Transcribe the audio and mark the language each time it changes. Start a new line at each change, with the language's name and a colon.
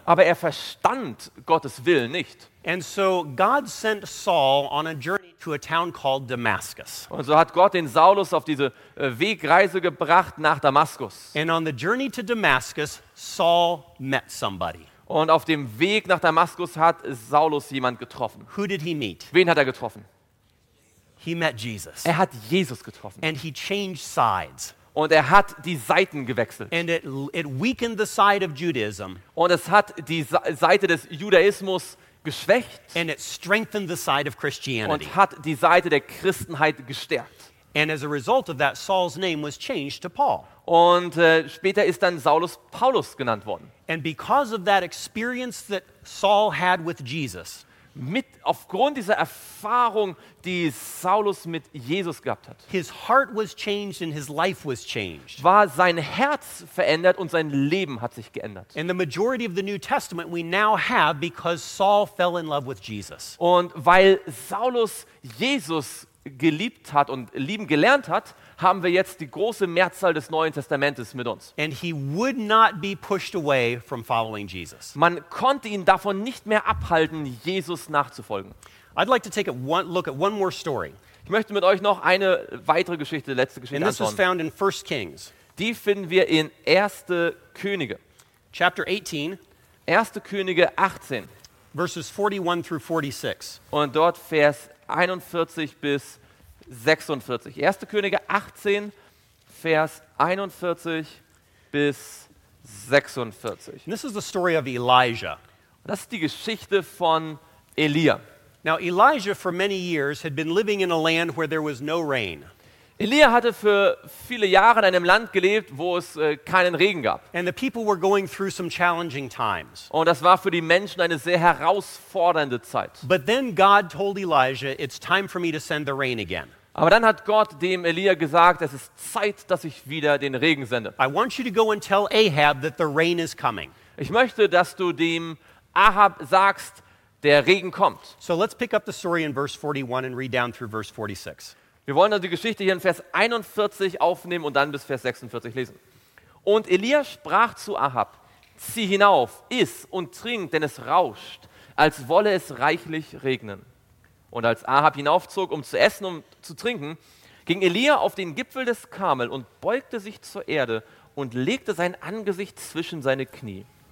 German: Aber er verstand Gottes Willen nicht.
English: And so God sent Saul on a journey to a town called Damascus.
German: Und so hat Gott den Saulus auf diese Wegreise gebracht nach Damaskus.
English: And on the journey to Damascus, Saul met somebody.
German: Und auf dem Weg nach Damaskus hat Saulus jemand getroffen.
English: Who did he meet?
German: Wen hat er getroffen?
English: He met Jesus.
German: Er hat Jesus getroffen.
English: And he changed sides.
German: Und er hat die Seiten gewechselt.
English: And it weakened the side of Judaism.
German: Und es hat die Seite des Judaismus geschwächt.
English: And it strengthened the side of Christianity.
German: Und hat die Seite der Christenheit gestärkt.
English: And as a result of that, Saul's name was changed to Paul.
German: Und später ist dann Saulus Paulus genannt worden.
English: And because of that experience that Saul had with Jesus.
German: Mit aufgrund dieser Erfahrung, die Saulus mit Jesus gehabt hat.
English: His heart was changed and his life was changed.
German: War sein Herz verändert und sein Leben hat sich geändert.
English: And the majority of the New Testament we now have because Saul fell in love with Jesus.
German: Und weil Saulus Jesus geliebt hat und lieben gelernt hat, haben wir jetzt die große Mehrzahl des Neuen Testamentes mit uns.
English: And he would not be pushed away from following Jesus.
German: Man konnte ihn davon nicht mehr abhalten, Jesus nachzufolgen.
English: I'd like to take a look at one more story.
German: Ich möchte mit euch noch eine weitere Geschichte, letzte Geschichte anschauen.
English: And this is found in 1 Kings.
German: Die finden wir in 1. Könige.
English: Chapter 18.
German: 1. Könige 18.
English: Verses 41 through 46.
German: Und dort Vers 41 bis 46. 1. Könige 18, Vers 41 bis 46.
English: And this is the story of Elijah.
German: Das ist die Geschichte von Elia.
English: Now Elijah for many years had been living in a land where there was no rain.
German: Elia hatte für viele Jahre in einem Land gelebt, wo es keinen Regen gab.
English: And the people were going through some challenging times.
German: Und das war für die Menschen eine sehr herausfordernde Zeit.
English: But then God told Elijah, it's time for me to send the rain again.
German: Aber dann hat Gott dem Elia gesagt, es ist Zeit, dass ich wieder den Regen sende.
English: I want you to go and tell Ahab that the rain is coming.
German: Ich möchte, dass du dem Ahab sagst, der Regen kommt.
English: So let's pick up the story in verse 41 and read down through verse 46.
German: Wir wollen also die Geschichte hier in Vers 41 aufnehmen und dann bis Vers 46 lesen. Und Elia sprach zu Ahab: Zieh hinauf, iss und trink, denn es rauscht, als wolle es reichlich regnen. Und als Ahab hinaufzog, um zu essen und zu trinken, ging Elia auf den Gipfel des Karmel und beugte sich zur Erde und legte sein Angesicht zwischen seine Knie.